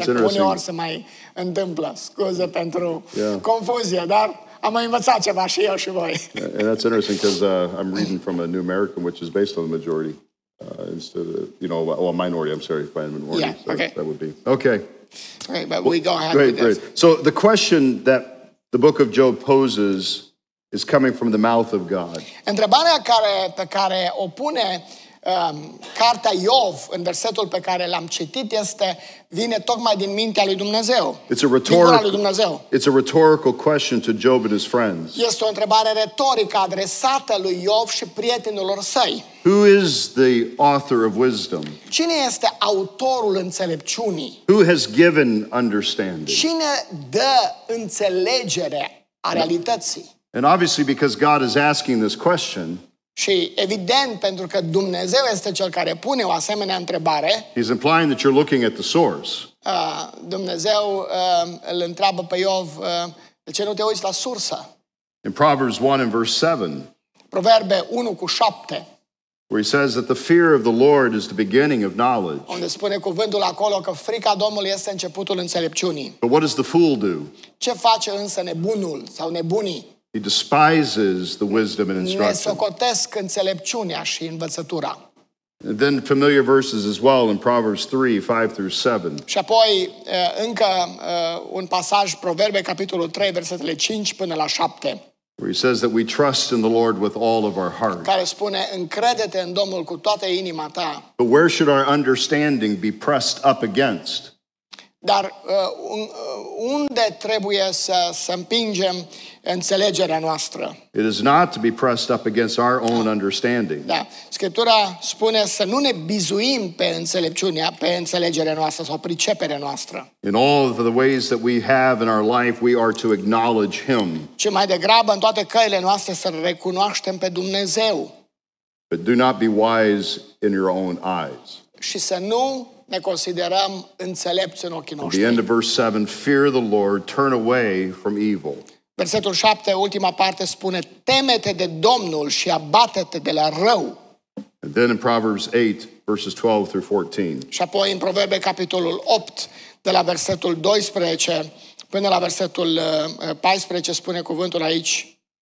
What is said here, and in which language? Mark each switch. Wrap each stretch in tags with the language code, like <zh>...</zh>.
<ro>așa că uneori se mai întâmplă. Scuze pentru confuzie, dar am mai învățat ceva și eu și voi.</ro> <en>And that's interesting because I'm reading from a New American, which is based on the majority. Instead of, you know, well, minority, I'm sorry, by a minority. Yeah, so okay. That would be. Okay. Right, but well, we go ahead with this. Great. So the question that the book of Job poses is coming from the mouth of God.</en> <ro>Întrebarea pe care o pune cartea Iov în versetul pe care l-am citit este vine tocmai din mintea lui Dumnezeu.</ro> <en>It's a rhetorical question to Job and his friends.</en> <ro>Este o întrebare retorică adresată lui Iov și prietenilor săi.</ro> <en>Who is the author of wisdom?</en> <ro>Cine este autorul înțelepciunii?</ro> <en>Who has given understanding?</en> <ro>Cine dă înțelegere a realității?</ro> <en>And obviously because God is asking this question,</en> <ro>și evident pentru că Dumnezeu este cel care pune o asemenea întrebare,</ro> <en>he's implying that you're looking at the source.</en> <ro>Dumnezeu îl întreabă pe Iov, de ce nu te uiți la sursă?</ro> <en>In Proverbs 1 and verse 7.</en> <ro>Proverbe 1 cu 7.</ro> <en>Where he says that the fear of the Lord is the beginning of knowledge.</en> <ro>Unde spune cuvântul acolo că frica Domnului este începutul înțelepciunii.</ro> <en>But what does the fool do?</en> <ro>Ce face însă nebunul sau nebunii?</ro> <en>He despises the wisdom and instruction.</en> <ro>Ne socotesc înțelepciunea și învățătura.</ro> <en>And then familiar verses as well in Proverbs 3, 5 through 7.</en> <ro>Și apoi încă un pasaj, Proverbe capitolul 3, versetele 5 până la 7.</ro> <en>Where he says that we trust in the Lord with all of our heart.</en> <ro>Care spune, încrede-te în Domnul cu toată inima ta.</ro> <en>But where should our understanding be pressed up against?</en> <ro>Dar unde trebuie să împingem înțelegerea noastră?</ro> <en>It is not to be pressed up against our own understanding.</en> <ro>Da. Scriptura spune să nu ne bizuim pe înțelepciunea, pe înțelegerea noastră sau priceperea noastră.</ro> <en>In all of the ways that we have in our life, we are to acknowledge him.</en> <ro>Ce mai degrabă în toate căile noastre să recunoaștem pe Dumnezeu.</ro> <en>But do not be wise in your own eyes.</en> <ro>Și să nu ne considerăm înțelepți în ochii noștri.</ro> <en>The end of verse 7, fear the Lord, turn away from evil.</en> <ro>Versetul 7, ultima parte, spune, teme-te de Domnul și abate-te de la rău.</ro> <en>And then in Proverbs 8, verses 12 through 14.</en> <ro>Și apoi în Proverbe, capitolul 8, de la versetul 12 până la versetul 14, spune cuvântul aici,</ro>